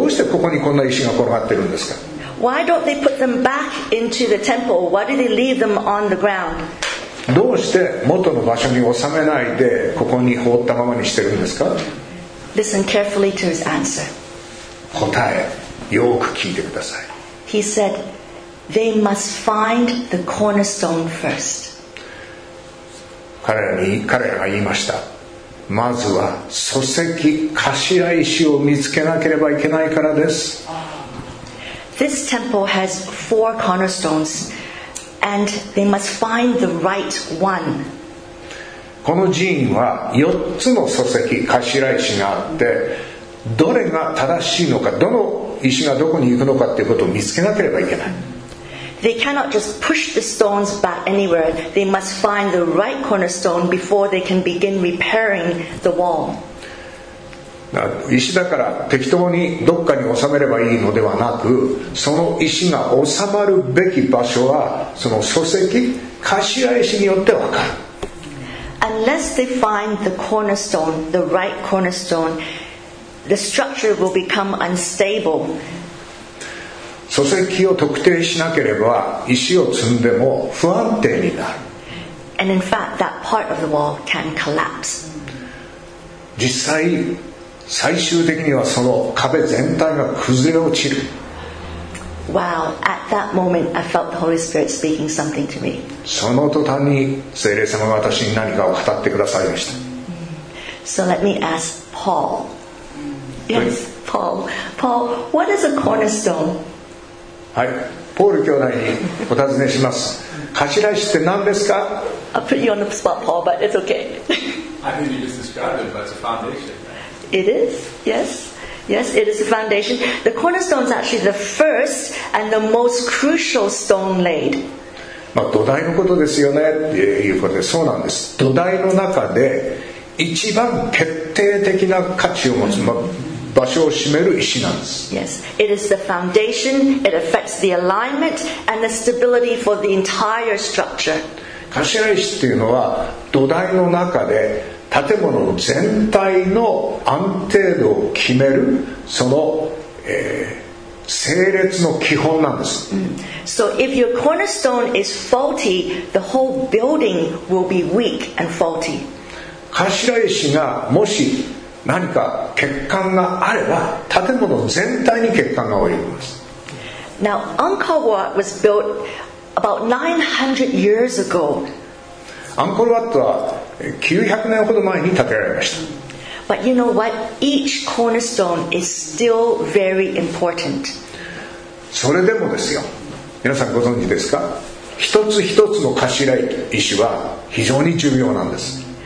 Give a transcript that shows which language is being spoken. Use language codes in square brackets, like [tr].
[ja] どうしてここにこんな石が転がってるんですか。 [en] Why don't they put them back into the temple? Why do they leave them on the ground? [ja] どうして元の場所に収めないでここに放ったままにしてるんですか? [en] Listen carefully to his answer. [ja] 答え、よく聞いてください。 [en] He said, they must find the cornerstone first. [ja] 彼らが言いました。まずは礎石、頭石を見つけなければいけないからです。 [en] This temple has four cornerstones, and they must find the right one. [ja] この寺院は四つの礎石、頭石があって、どれが正しいのか、どの石がどこに行くのかということを見つけなければいけない。 [en] They cannot just push the stones back anywhere. They must find the right cornerstone before they can begin repairing the wall. [ja] 石だから適当にどっかに収めればいいのではなく、その石が収まるべき場所はその礎石、頭石によって分かる。 [en] Unless they find the cornerstone, the right cornerstone, the structure will become unstable. [ja] 礎石を特定しなければ石を積んでも不安定になる。 [en] And in fact, that part of the wall can collapse. [ja] 実際最終的にはその壁全体が崩れ落ちる。 [en] Wow, at that moment, I felt the Holy Spirit speaking something to me. [ja] その途端に聖霊様が私に何かを語ってくださいました。 [en] So let me ask Paul. Yes, Paul. Paul, what is a cornerstone? [ja] はい、ポール兄弟にお尋ねします。頭石って何ですか？ [en] I'll put you on the spot, Paul, but it's okay. I think you just described it, but it's a foundation. It is, yes, yes, it is the foundation. The cornerstone is actually the first and the most crucial stone laid. [ja] まあ土台のことですよねっていうことで、そうなんです。土台の中で一番決定的な価値を持つ、まあ、場所を占める石なんです。 [en] Yes, it is the foundation. It affects the alignment and the stability for the entire structure. [ja] 頭石っていうのは土台の中で建物の全体の安定度を決めるその、整列の基本なんです。 [en] So if your cornerstone is faulty, the whole building will be weak and faulty. [ja] 頭石がもし何か欠陥があれば、建物全体に欠陥が及びます。 [en] Now Angkor Wat was built about 900 years ago. [ja] アンコールワットは900年ほど前に建てられました。 [en] But you know what? Each cornerstone is still very important. [ja] それでもですよ。皆さんご存知ですか？一つ一つの頭石は非常に重要なんです。